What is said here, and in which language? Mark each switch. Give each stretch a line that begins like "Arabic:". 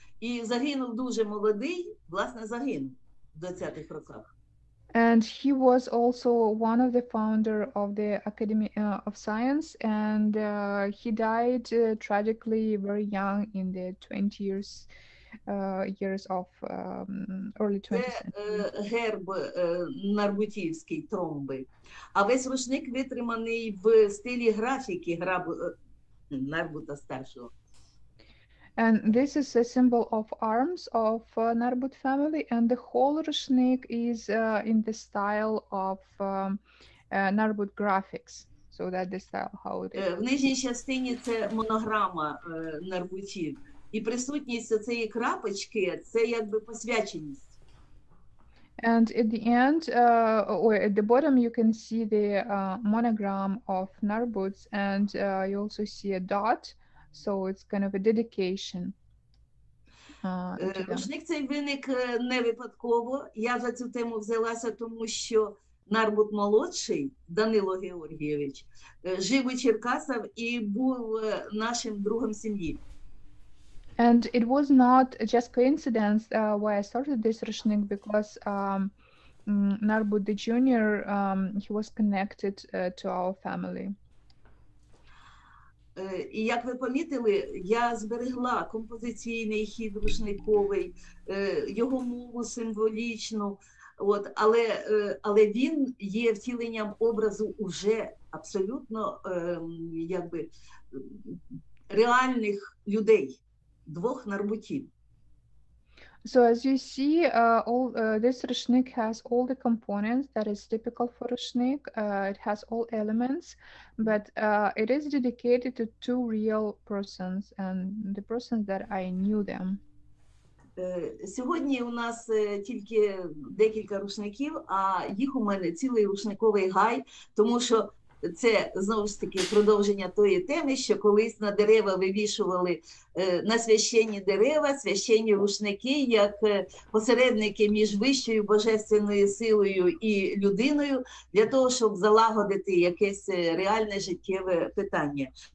Ukrainian: І загинув дуже молодий, власне, загинув в 20-х роках.
English: And he was also one of the founder of the Academy of Science, and he died tragically very young in the 20 years, years of early 20th century.
Ukrainian: Це герб Нарбутівський, тромби. А весь рушник витриманий в стилі графіки Нарбута старшого.
English: And this is a symbol of arms of Narbut family, and the whole rushnik is in the style of Narbut graphics, so that the style how it is.
Ukrainian: В нижній частині це монограма Нарбутів, і присутність цієї крапочки – це якби посвяченість.
English: And at the end, or at the bottom, you can see the monogram of Narbuts, and you also see a dot. So it's kind of a dedication.
Ukrainian: Рушник цей виник не випадково. Я за цю тему взялася, тому що Нарбут молодший, Данило Георгійович, жив у Черкасах і був нашим другом сім'ї.
English: And it was not just coincidence why I started this rushnik, because Нарбут the junior, he was connected to our family.
Ukrainian: І як ви помітили, я зберегла композиційний хід рушниковий, його мову символічну. От, але, але він є втіленням образу уже абсолютно якби реальних людей, двох нарбутів.
English: So as you see, all this rushnik has all the components that is typical for rushnik. It has all elements, but it is dedicated to two real persons and the persons that I knew them.
Ukrainian: Сьогодні у нас тільки декілька рушників, а їх у мене цілий рушниковий гай, тому що це знову ж таки продовження тої теми, що колись на дерева вивішували на священні дерева, священні рушники як посередники між вищою божественною силою і людиною для того, щоб залагодити якесь реальне життєве питання.